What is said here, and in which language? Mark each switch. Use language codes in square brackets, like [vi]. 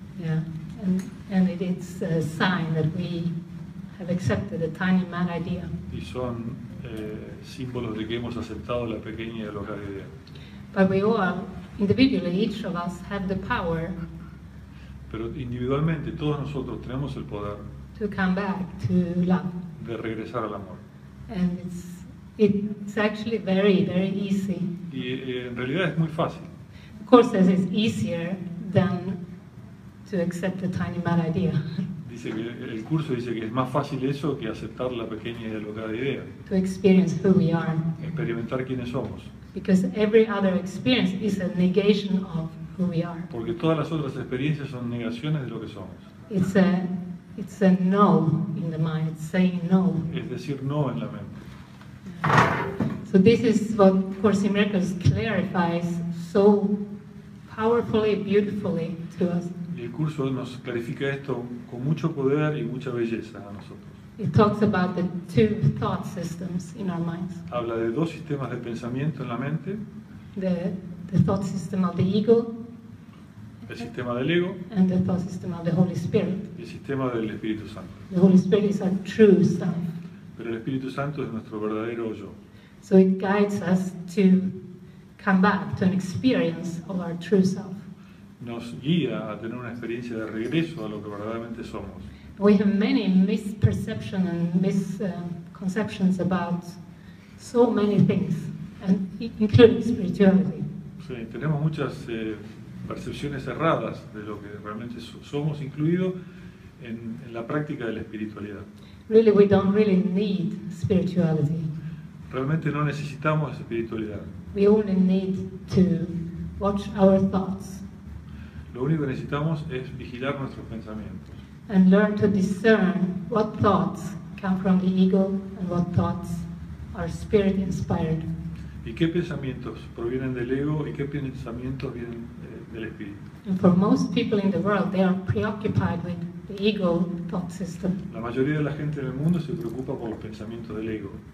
[en] Yeah, and it is a sign that we have accepted a tiny mad idea. [es] Y son símbolos de que hemos aceptado la pequeña y alocada idea. [en] But we all, individually, each of us, have the power. [es] Pero individualmente, todos nosotros tenemos el poder. [en] To come back to love. [es] De regresar al amor. [en] And it's actually very, very easy. [es] Y en realidad es muy fácil. [en] Of course, this is easier than to accept a tiny mad idea. [es] Dice que el curso dice que es más fácil eso que aceptar la pequeña y alocada idea. [en] To experience who we are. [es] Experimentar quiénes somos. [en] Because every other experience is a negation of who we are. [es] Porque todas las otras experiencias son negaciones de lo que somos. [en] It's a no in the mind. It's saying no. [es] Es decir no en la mente. [en] So this is what Course in Miracles clarifies so powerfully, beautifully to us. [es] El curso nos clarifica esto con mucho poder y mucha belleza a nosotros. [en] It talks about the two thought systems in our minds. [es] Habla de dos sistemas de pensamiento en la mente. [en] The thought system of the ego. [es] El sistema del ego. [en] And the thought system of the Holy Spirit. [es] Y el sistema del Espíritu Santo. [en] The Holy Spirit is our true self. [es] Pero el Espíritu Santo es nuestro verdadero yo. [en] So it guides us to come back to an experience of our true self. [es] nos guía a tener una experiencia de regreso a lo que verdaderamente somos. [en] We have many misperceptions and misconceptions about so many things, and including spirituality. [es] Sí, tenemos muchas percepciones erradas de lo que realmente somos, incluido en la práctica de la espiritualidad. [en] Really, we don't really need spirituality. [es] Realmente no necesitamos espiritualidad. [en] We only need to watch our thoughts. [es] Lo único que necesitamos es vigilar nuestros pensamientos. [en] And learn to discern what thoughts come from the ego and what thoughts are spirit inspired. [es] ¿Y qué pensamientos provienen del ego y qué pensamientos vienen del espíritu? [en] And for most people in the world, they are preoccupied with the ego thought system. [es] La mayoría de la gente en el mundo se preocupa por los pensamientos del ego.